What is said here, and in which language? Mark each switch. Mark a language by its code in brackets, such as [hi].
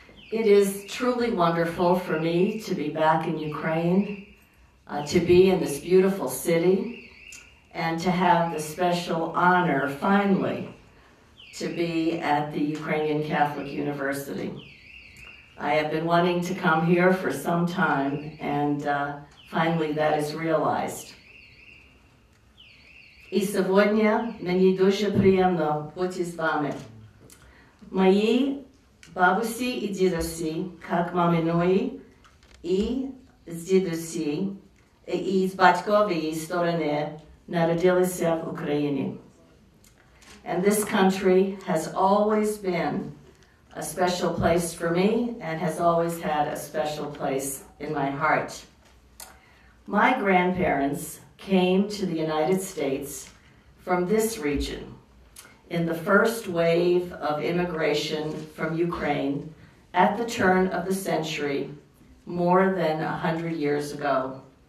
[en] It is truly wonderful for me to be back in Ukraine, to be in this beautiful city, and to have the special honor, finally, to be at the Ukrainian Catholic University. I have been wanting to come here for some time, and finally that is realized. [uk] І сьогодні мені дуже приємно бути з вами. Мої бабусі і дідусі, як маминої, і з дідусі, і з батькової сторони народилися в Україні. [en] And this country has always been a special place for me and has always had a special place in my heart. My grandparents came to the United States from this region in the first wave of immigration from Ukraine at the turn of the century, more than 100 years ago.